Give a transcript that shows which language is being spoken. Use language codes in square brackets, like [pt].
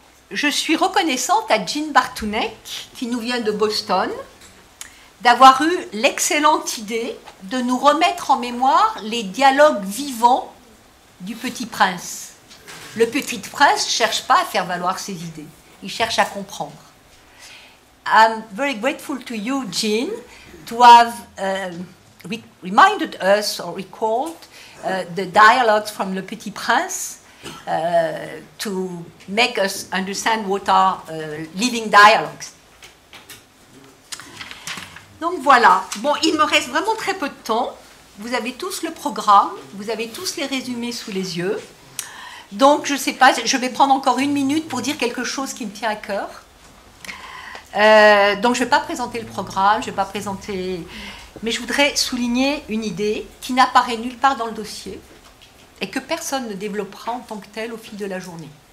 [fr] Je suis reconnaissante à Jean Bartounek, qui nous vient de Boston, d'avoir eu l'excellente idée de nous remettre en mémoire les dialogues vivants du Petit Prince. Le Petit Prince ne cherche pas à faire valoir ses idées, il cherche à comprendre. [en] I'm very grateful to you, Jean, to have reminded us or recalled the dialogues from Le Petit Prince to make us understand what are living dialogues. [fr] Donc voilà, bon, il me reste vraiment très peu de temps. Vous avez tous le programme, vous avez tous les résumés sous les yeux. Donc je ne sais pas, je vais prendre encore une minute pour dire quelque chose qui me tient à cœur. Donc je ne vais pas présenter le programme, je ne vais pas présenter... Mais je voudrais souligner une idée qui n'apparaît nulle part dans le dossier et que personne ne développera en tant que telle au fil de la journée.